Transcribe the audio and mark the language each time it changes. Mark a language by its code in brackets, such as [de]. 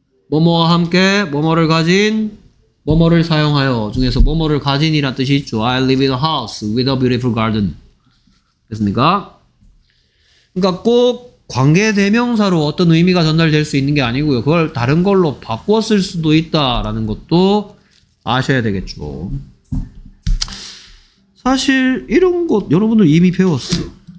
[ko] 뭐뭐와 함께 뭐뭐를 가진 뭐뭐를 사용하여 중에서 뭐뭐를 가진이란 뜻이 있죠. [en] I live in a house with a beautiful garden. [ko] 됐습니까? 그러니까 꼭 관계대명사로 어떤 의미가 전달될 수 있는 게 아니고요. 그걸 다른 걸로 바꿨을 수도 있다라는 것도 아셔야 되겠죠. 사실 이런 것 여러분들 이미 배웠어.